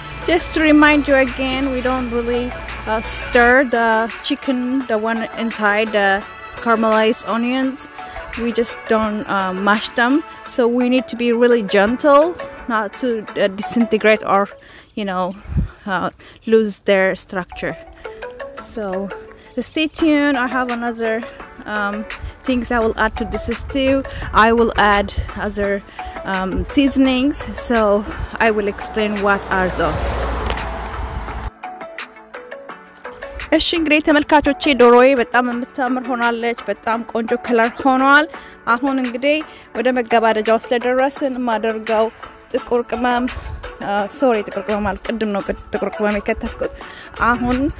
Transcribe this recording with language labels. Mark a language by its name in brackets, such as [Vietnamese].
[English] Just to remind you again, we don't really stir the chicken, the one inside the caramelized onions. We just don't mash them. So we need to be really gentle, not to disintegrate or, you know, lose their structure. So stay tuned. I have another things I will add to this stew. I will add other seasonings, so I will explain what are those. [Amharic] እሺ እንግዲህ ተመልካቾቼ፣ ዶሮዬ በጣም የምታምር ሆናለች። በጣም ቆንጆ ከለር ሆኗል። አሁን እንግዲህ ወደ መገባደጃው ስለደረስን ማደርጋው ጥቁር ቅመም ጥቁር ቅመም አለ ቅድም ነው ጥቁር ቅመም የከተፍኩት። አሁን